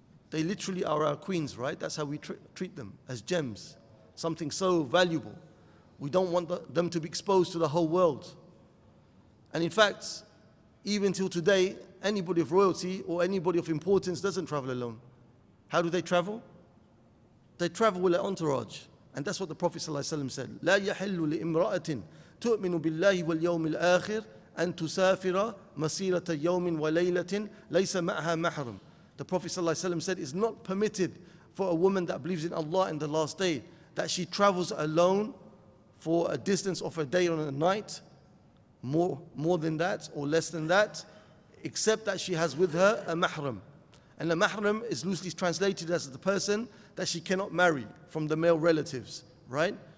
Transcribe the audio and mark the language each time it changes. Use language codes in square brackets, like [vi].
[en] They literally are our queens, right? That's how we treat them, as gems, something so valuable. We don't want them to be exposed to the whole world. And in fact, even till today, anybody of royalty or anybody of importance doesn't travel alone. How do they travel? They travel with an entourage. And that's what the Prophet ﷺ said. [ar] لا يحل لامرأة تؤمن بالله واليوم الآخر أن تسافر مسيرة يوم وليلة ليس معها محرم. [en] The Prophet ﷺ said, it's not permitted for a woman that believes in Allah in the last day that she travels alone for a distance of a day or a night, more than that or less than that, except that she has with her a mahram. And a mahram is loosely translated as the person that she cannot marry from the male relatives, right?